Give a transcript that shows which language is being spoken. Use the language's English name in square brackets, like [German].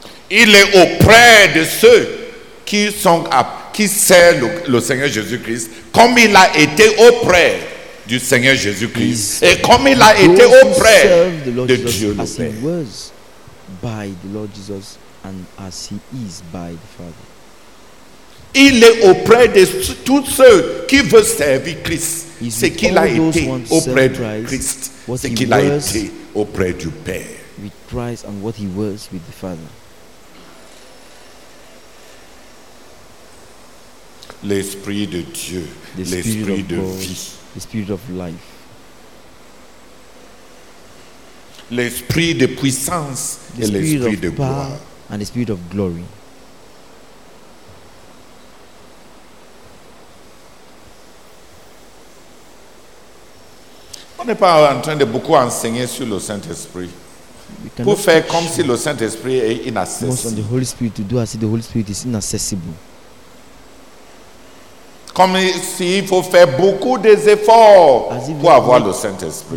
[French] Il est auprès de ceux qui sont qui servent le Seigneur Jésus-Christ, comme il a été auprès du Seigneur Jésus-Christ, et comme il a été auprès de Dieu le Père. [English] By the Lord Jesus and as he is by the Father. [French] Il est auprès de tous ceux qui veulent servir Christ. Ce qu'il a été auprès de Christ, ce qu'il a été auprès du Père. [English] With Christ and what he was with the Father. [French] L'Esprit de Dieu, l'Esprit de vie, [English] the Spirit of life. [French] L'Esprit de puissance et l'Esprit de gloire. [English] And the Spirit of glory. [French] On n'est pas en train de beaucoup enseigner sur le Saint-Esprit. Pour faire comme si le Saint-Esprit est inaccessible. [English] On the Holy Spirit to do as if the Holy Spirit is inaccessible. [French] Comme s'il faut faire beaucoup d'efforts pour avoir le Saint-Esprit.